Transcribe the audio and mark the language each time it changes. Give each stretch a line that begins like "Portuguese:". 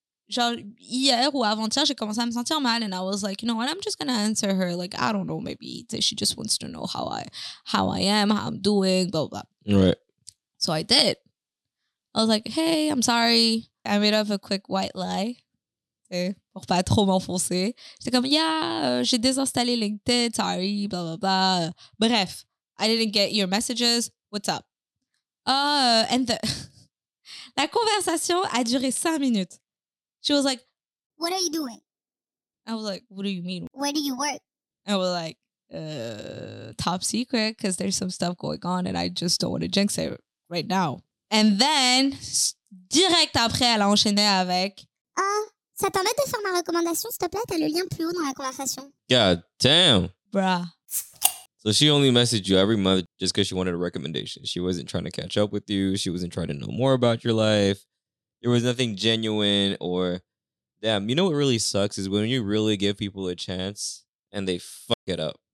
French: Genre, hier ou avant-hier, j'ai commencé à me sentir mal.
English: And I was like, you know what? I'm just going to answer her. Like, I don't know. Maybe she just wants to know how I am, how I'm doing, blah, blah. Right. So I did. I was like, hey, I'm sorry. I made up a quick white lie.
French: Pour pas trop m'enfoncer. J'étais comme, yeah, j'ai désinstallé LinkedIn, sorry, blah, blah, blah.
English: Bref, I didn't get your messages. What's up?
French: La conversation a duré 5 minutes.
English: She was like, what are you doing? I was like, what do you mean? Where do you work? I was like, top secret, because there's some stuff going on and I just don't want to jinx it right now. And then,
French: direct après, elle a enchaîné avec, ça t'embête de faire ma recommandation, s'il te plaît? T'as le lien plus haut dans la conversation.
English: God damn. Bruh. So she only messaged you every month just because she wanted a recommendation. She wasn't trying to catch up with you. She wasn't trying to know more about your life. There was nothing genuine or... Damn, you know what really sucks is when you really give people a chance and they fuck it up.